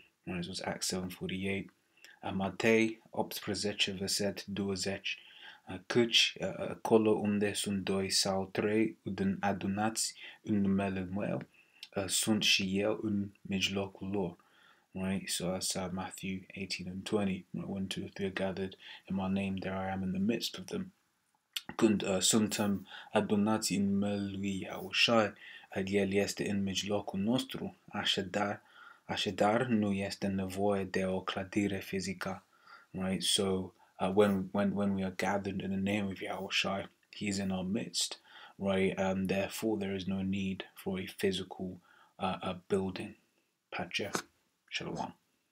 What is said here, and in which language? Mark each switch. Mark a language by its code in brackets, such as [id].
[en] This was Acts 7:48. [ro] Matei 18 verset 20. Căci acolo unde sunt doi sau trei adunați în numele meu, sunt și eu în mijlocul lor. [en] Right? So that's Matthew 18:20. When two or three are gathered in my name, there I am in the midst of them. [ro] Când suntem adunați în numele lui Yahushai, el este în mijlocul nostru, așadar nu este nevoie de o clădire fizică. [en] Right? So, when we are gathered in the name of Yahushai, he is in our midst, right? And therefore, there is no need for a physical building. Pacha, Shalom.